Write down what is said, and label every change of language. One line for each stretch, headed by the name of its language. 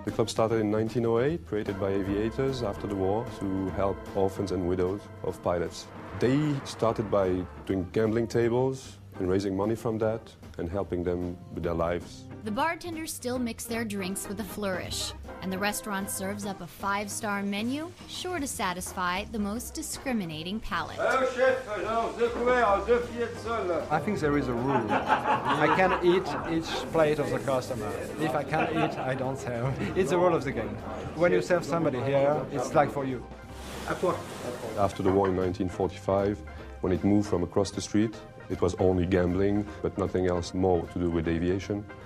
English: The club started in 1908, created by aviators after the war to help orphans and widows of pilots. They started by doing gambling tables and raising money from that and helping them with their lives. The bartenders still mix their drinks with a flourish, and the restaurant serves up a five-star menu, sure to satisfy the most discriminating palate.
French: Oh, chef, deux couverts, deux filets de sol.
English: I think there is a rule. I can eat each plate of the customer. If I can't eat, I don't serve. It's the rule of the game. When you serve somebody here, it's like for you. After the war in 1945, when it moved from across the street, it was only gambling, but nothing else more to do with aviation.